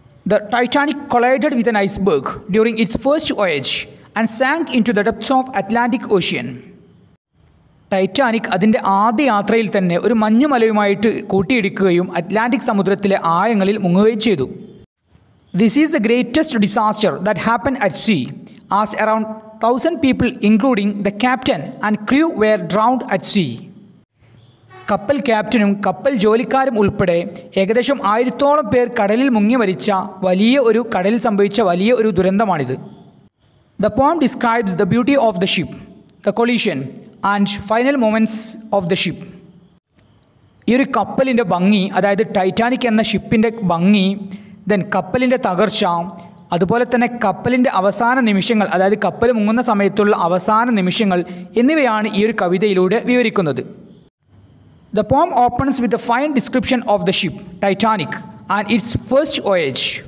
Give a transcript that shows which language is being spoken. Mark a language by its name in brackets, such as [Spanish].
[English] The Titanic collided with an iceberg during its first voyage and sank into the depths of Atlantic ocean. [Malayalam] Titanic അതിൻ്റെ ആദ്യ യാത്രയിൽ തന്നെ ഒരു മഞ്ഞുമലയുമായിട്ട് കൂട്ടിയിടിക്കുകയും Atlantic സമുദ്രത്തിലെ ആയങ്ങളിൽ മുങ്ങുകയും ചെയ്തു. [English] This is the greatest disaster that happened at sea, as around 1,000 people including the captain and crew were drowned at sea. [Malayalam] കപ്പൽ ക്യാപ്റ്റനും കപ്പൽ ജോലിക്കാരും ഉൾപ്പെടെ ഏകദേശം 1,000-ഓളം പേർ കടലിൽ മുങ്ങി മരിച്ച വലിയ ഒരു കടലിൽ സംഭവിച്ച വലിയ ഒരു ദുരന്തമാണിത്. [English] The poem describes the beauty of the ship, the collision and final moments of the ship. [Malayalam] ഈ ഒരു കപ്പലിൻ്റെ ഭംഗി, അതായത് ടൈറ്റാനിക് എന്ന ഷിപ്പിൻ്റെ ഭംഗി, ദെൻ കപ്പലിൻ്റെ തകർച്ച, അതുപോലെ തന്നെ കപ്പലിൻ്റെ അവസാന നിമിഷങ്ങൾ, അതായത് കപ്പൽ മുങ്ങുന്ന സമയത്തുള്ള അവസാന നിമിഷങ്ങൾ എന്നിവയാണ് ഈ ഒരു കവിതയിലൂടെ വിവരിക്കുന്നത്. [English] The poem opens with a fine description of the ship Titanic and its first voyage.